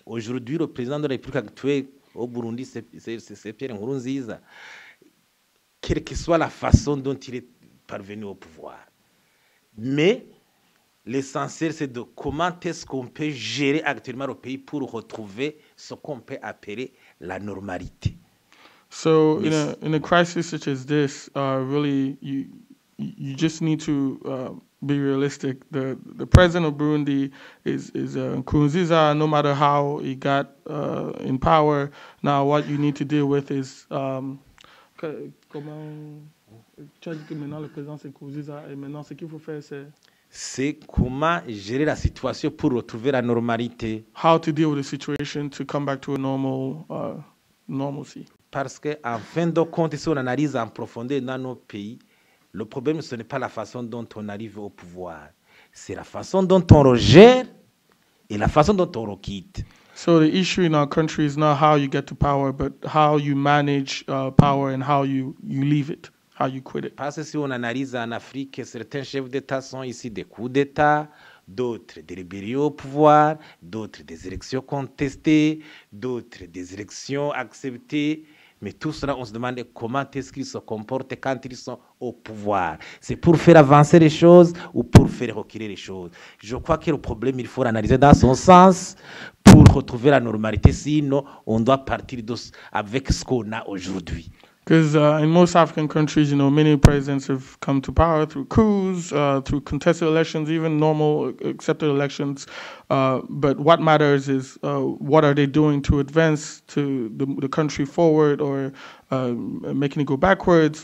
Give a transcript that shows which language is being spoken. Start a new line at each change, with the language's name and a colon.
French: Aujourd'hui, le président de la République actuelle au Burundi, c'est Pierre Nkurunziza. Quelle que soit la façon dont il est parvenu au pouvoir, mais l'essentiel, c'est de comment est-ce qu'on peut gérer actuellement le pays pour retrouver ce qu'on peut appeler la normalité.
English: So in a crisis such as this, really you just need to be realistic. The president of Burundi is Nkurunziza. No matter how he got in power, now what you need to deal with is
French: comment que maintenant le président c'est Nkurunziza et maintenant ce qu'il faut faire c'est comment gérer la situation pour retrouver la normalité.
English: How to deal with the situation to come back to a normalcy.
French: Parce qu'en fin de compte, si on analyse en profondeur dans nos pays, le problème, ce n'est pas la façon dont on arrive au pouvoir. C'est la façon dont on le gère et la façon dont on le quitte.
English: So the issue in our country is not how you get to power, but how you manage power and how you leave it, how you quit it.
French: Parce que si on analyse en Afrique, certains chefs d'État sont ici des coups d'État, d'autres des rébellions au pouvoir, d'autres des élections contestées, d'autres des élections acceptées. Mais tout cela, on se demande comment est-ce qu'ils se comportent quand ils sont au pouvoir. C'est pour faire avancer les choses ou pour faire reculer les choses. Je crois que le problème, il faut l'analyser dans son sens pour retrouver la normalité. Sinon, on doit partir avec ce qu'on a aujourd'hui.
English: Because in most African countries, you know, many presidents have come to power through coups, through contested elections, even normal accepted elections. But what matters is what are they doing to advance to the country forward or making it go backwards?